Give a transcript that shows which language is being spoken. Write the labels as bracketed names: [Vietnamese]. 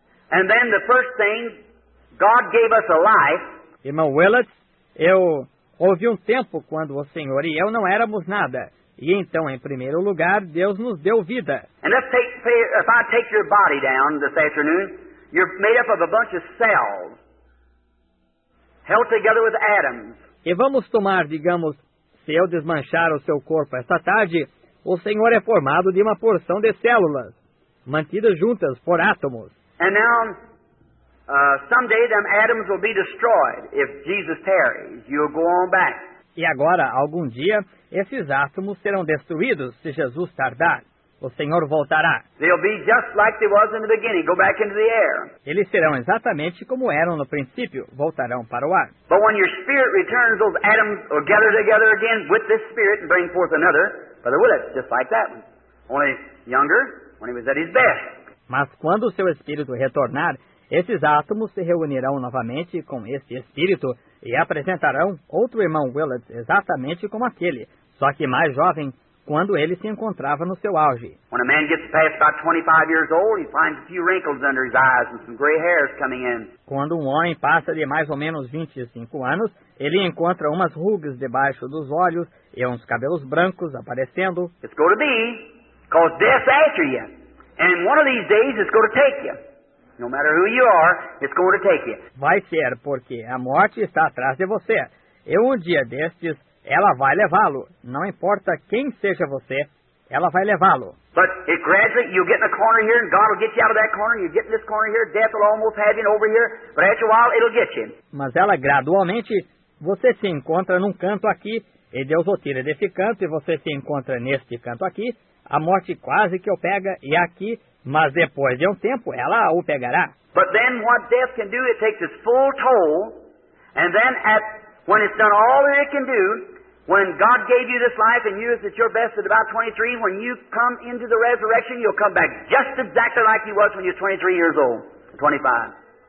[English] And then the first thing, God gave us a life. [Portuguese] Irmão Willett, houve um tempo quando o Senhor e eu não éramos nada. E então, em primeiro lugar, Deus nos deu vida. [English] And let's take, if I take your body down this afternoon, you're made up of a bunch of cells. Held together with atoms. [Portuguese] E vamos tomar, digamos, se eu desmanchar o seu corpo esta tarde, o Senhor é formado de uma porção de células, mantidas juntas por átomos. [English] And now, someday them atoms will be destroyed. If Jesus tarries, you'll go on back. [Portuguese] E agora, algum dia, esses átomos serão destruídos se Jesus tardar. O Senhor voltará. [English] They'll be just like they was in the beginning. Go back into the air. [Portuguese] Eles serão exatamente como eram no princípio. Voltarão para o ar. [English] But when your spirit returns, those atoms will gather together again with this spirit and bring forth another. Brother Willett, just like that one. Only younger, when he was at his best. [Portuguese] Mas quando o seu espírito retornar, esses átomos se reunirão novamente com esse espírito e apresentarão outro irmão Willett exatamente como aquele, só que mais jovem, quando ele se encontrava no seu auge. [English] When a man gets past about 25 years old, he finds a few wrinkles under his eyes and some gray hairs coming in. [Portuguese] Quando um homem passa de mais ou menos 25 anos, ele encontra umas rugas debaixo dos olhos e uns cabelos brancos aparecendo. [English] It's going to be, because death's after you. And one of these days, it's going to take you. No matter who you are, it's going to take you. [Portuguese] Vai ser, porque a morte está atrás de você. E um dia destes, ela vai levá-lo. Não importa quem seja você, ela vai levá-lo. [English] But it gradually, you'll get in a corner here, and God will get you out of that corner, you get in this corner here, death will almost have you over here, but after a while, it'll get you. [Portuguese] Mas ela gradualmente, você se encontra num canto aqui, e Deus o tira desse canto, e você se encontra neste canto aqui, a morte quase que o pega, e aqui, mas depois de um tempo, ela o pegará. [English] But then what death can do, it takes its full toll, and then at when it's done all that it can do, when God gave you this life and you is at your best at about 23, when you come into the resurrection, you'll come back just exactly like you was when you were 23 years old, 25.